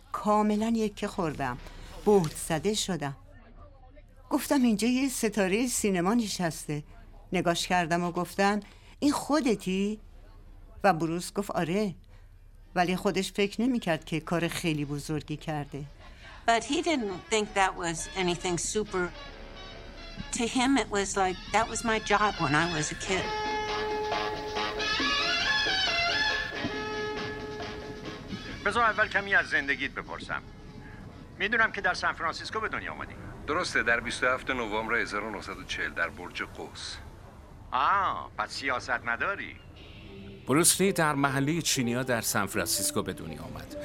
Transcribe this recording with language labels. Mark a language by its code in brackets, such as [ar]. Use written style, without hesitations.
[fa] کاملا یکه خوردم، بهت زده شدم. گفتم اینجا یه ستاره سینما نشسته. نگاش کردم و گفتم این خودتی؟ و بروس گفت آره، ولی خودش فکر نمی‌کرد که کار خیلی بزرگی کرده. [en] But he didn't think that was anything super. To him it was like that was my job when I was a kid. [fa] بذار اول کمی از زندگیت بپرسم. میدونم که در سان فرانسیسکو به دنیا اومدی. درسته، در 27 نوامبر 1940 در برج قوس. آه، پس سیاست نداری. بروس لی در محله چینیا در سان فرانسیسکو به دنیا آمد.